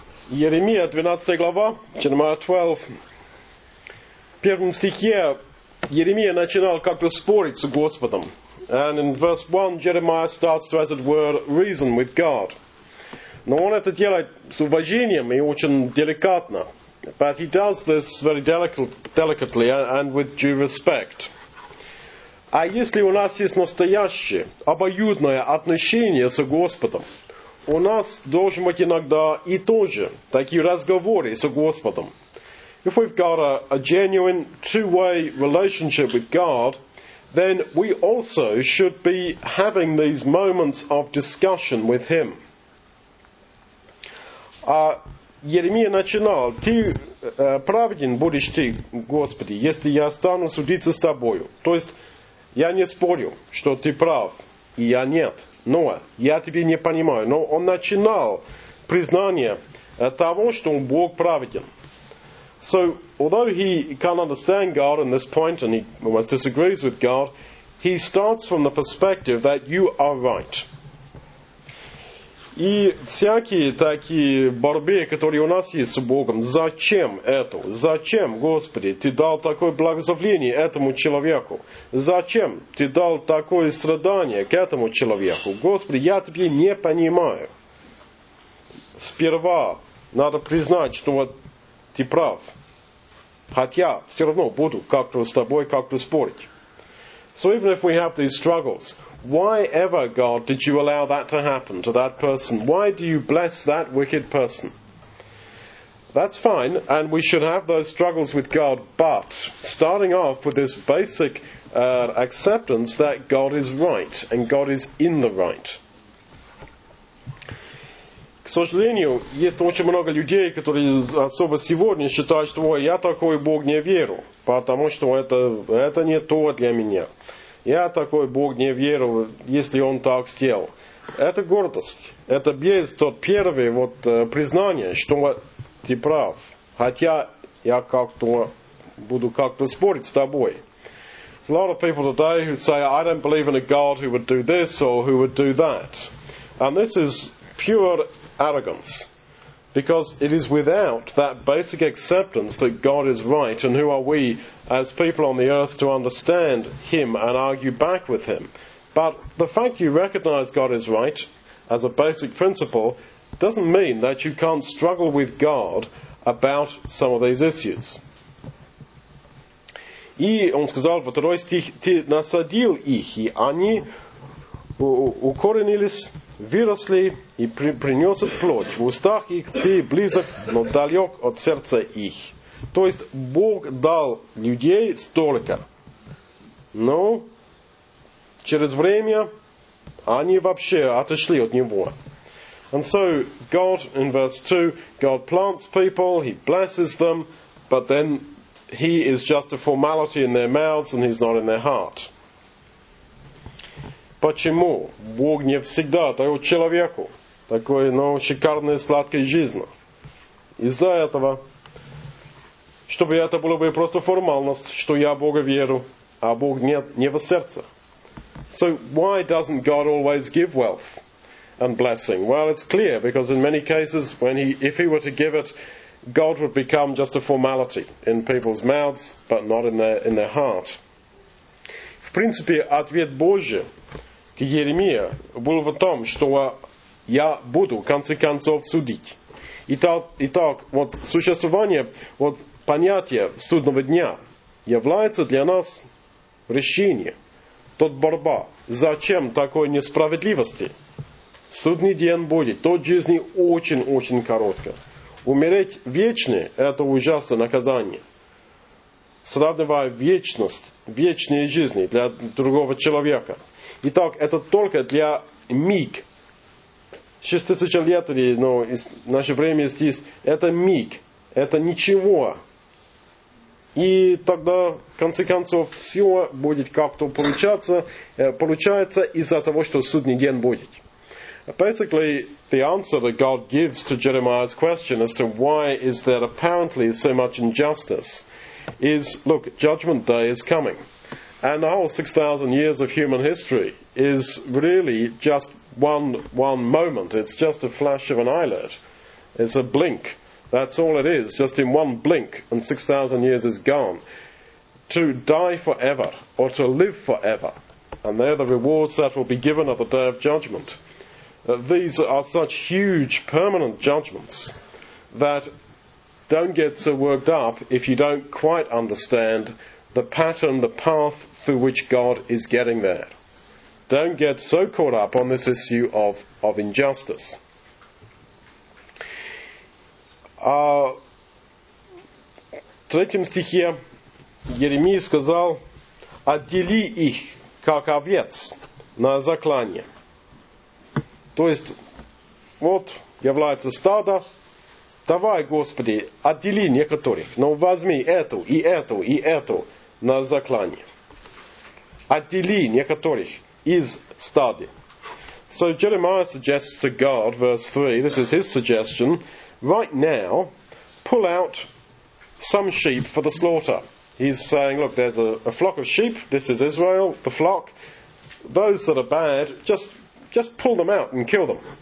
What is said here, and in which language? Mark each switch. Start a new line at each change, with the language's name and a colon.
Russian: Иеремия, 12 глава,
English: Jeremiah 12.
Russian: В первом стихе Иеремия начинал как бы спорить с Господом.
English: And in verse 1, Jeremiah starts to, as it were, reason with God.
Russian: Но он это делает с уважением и очень деликатно.
English: But he does this very delicately and with due respect.
Russian: А если у нас есть настоящее, обоюдное отношение с Господом, у нас должен быть иногда и тоже такие разговоры с Господом.
English: If we've got a genuine two-way relationship with God, then we also should be having these moments of discussion with Him.
Russian: Иеремия начинал, «Ты праведен будешь ты, Господи, если я стану судиться с тобою». То есть, я не спорю, что ты прав, и я нет. Но я тебя не понимаю. Но он начинал признание того, что Бог праведен.
English: So, although he can't understand God in this point, and he almost disagrees with God, he starts from the perspective that you are right.
Russian: И всякие такие борьбы, которые у нас есть с Богом, зачем это? Зачем, Господи, ты дал такое благословение этому человеку? Зачем ты дал такое страдание к этому человеку? Господи, я тебе не понимаю. Сперва надо признать, что вот ты прав. Хотя все равно буду как-то с тобой как-то спорить.
English: So even if we have these struggles, why ever, God, did you allow that to happen to that person? Why do you bless that wicked person? That's fine, and we should have those struggles with God, but starting off with this basic acceptance that God is right, and God is in the right.
Russian: К сожалению, есть очень много людей, которые особо сегодня считают, что «Ой, я такой в Бог не верю, потому что это не то для меня». Я такой Бог не верю, если он так сделал. Это гордость. Это без тот первый вот признание, что ты прав. Хотя я как-то буду как-то спорить с тобой.
English: There's a lot of people today who say, I don't believe in a God who would do this or who would do that. And this is pure arrogance. Because it is without that basic acceptance that God is right, and who are we as people on the earth to understand Him and argue back with Him. But the fact you recognize God is right as a basic principle doesn't mean that you can't struggle with God about some of these issues.
Russian: И он сказал во второй стих, «Ты насадил их, и они укоренились». Выросли и принес плоть. В устах их ты близок, но далек от сердца их. То есть Бог дал людей столько. Но через время они вообще отошли от Него.
English: And so God, in verse 2, God plants people, He blesses them, but then He is just a formality in their mouths and He's not in their heart.
Russian: Почему Бог не всегда дает человеку такой, ну, шикарной сладкой жизни? Из-за этого, чтобы это было бы просто формальность, что я Бога верю, а Бог нет, не в сердце.
English: So why doesn't God always give wealth and blessing? Well, it's clear, because in many cases, if he were to give it, God would become just a formality in people's mouths, but not in their heart.
Russian: В принципе, ответ Божий к Иеремии был в том, что я буду, в конце концов, судить. Итак, вот существование, вот понятие судного дня является для нас решение, тот борьба, зачем такой несправедливости. Судный день будет, тот жизни очень-очень коротко. Умереть вечно – это ужасное наказание. Сравнивая вечность, вечные жизни для другого человека. Итак, это только для миг. 6000 лет или, ну, из наше время здесь, это миг. Это ничего. И тогда, в конце концов, все будет как-то получается из-за того, что судный день будет.
English: Basically, the answer that God gives to Jeremiah's question as to why is there apparently so much injustice is, look, judgment day is coming. And the whole 6,000 years of human history is really just one moment. It's just a flash of an eyelid. It's a blink. That's all it is, just in one blink, and 6,000 years is gone. To die forever, or to live forever, and they're the rewards that will be given at the Day of Judgment. These are such huge, permanent judgments that don't get so worked up if you don't quite understand the pattern, the path through which God is getting there. Don't get so caught up on this issue of injustice.
Russian: В третьем стихе Еремия сказал: «Отдели их, как овец, на заклание». То есть, вот является стадо. Давай, Господи, отдели некоторых, но возьми эту, и эту, и эту на заклание. Отдели некоторых из стада.
English: So Jeremiah suggests to God, verse 3, this is his suggestion, right now, pull out some sheep for the slaughter. He's saying, look, there's a flock of sheep, this is Israel, the flock. Those that are bad, just pull them out and kill them.